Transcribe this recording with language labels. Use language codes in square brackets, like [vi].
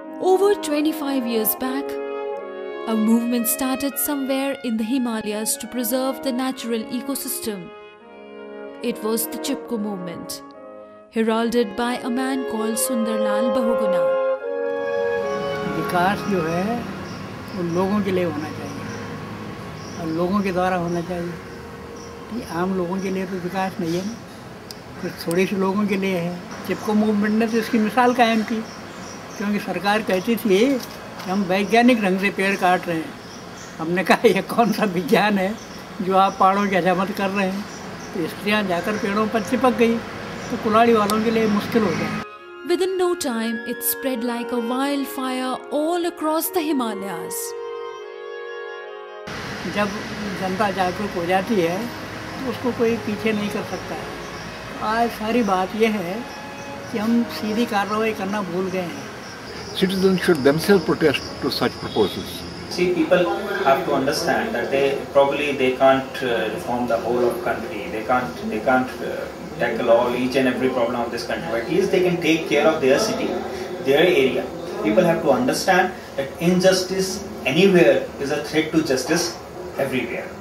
[en] Over 25 years back, a movement started somewhere in the Himalayas to preserve the natural ecosystem. It was the Chipko movement, heralded by a man called Sundarlal Bahuguna. [hi] विकास जो है वो लोगों के लिए होना चाहिए और लोगों के द्वारा होना चाहिए. ये आम लोगों के लिए तो विकास नहीं है ना, कुछ थोड़े से लोगों के लिए है. चिपको मूवमेंट ने तो इसकी मिसाल कायम की, क्योंकि सरकार कहती थी हम वैज्ञानिक ढंग से पेड़ काट रहे हैं. हमने कहा यह कौन सा विज्ञान है जो आप पहाड़ों की हजामत कर रहे हैं. तो स्त्रियाँ जाकर पेड़ों पर चिपक गई तो कुलाड़ी वालों के लिए मुश्किल हो गया. [en] Within no time it spread like a wildfire all across the Himalayas. [hi] जब जनता जागरूक हो जाती है तो उसको कोई पीछे नहीं कर सकता है. आज सारी बात यह है कि हम सीधी कार्रवाई करना भूल गए हैं. [en] Citizens should themselves protest to such proposals. See, people have to understand that they can't reform the whole of country. They can't tackle all each and every problem of this country. But at least they can take care of their city, their area. People have to understand that injustice anywhere is a threat to justice everywhere.